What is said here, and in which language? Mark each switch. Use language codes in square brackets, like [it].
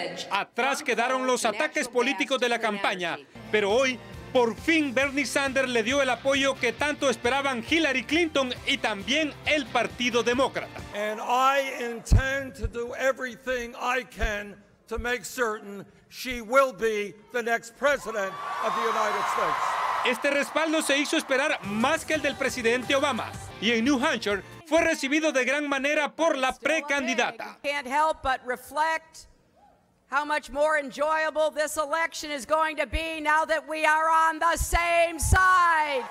[es] Atrás quedaron los ataques políticos de la campaña, pero hoy por fin Bernie Sanders le dio el apoyo que tanto esperaban Hillary Clinton y también el Partido Demócrata. [en] And I intend to do everything I can to make certain she will be the next president of the United States. [es] Este respaldo se hizo esperar más que el del presidente Obama y en New Hampshire fue recibido de gran manera por la precandidata. [en] Can't help but reflect how much more enjoyable this election is going to be now that we are on the same side.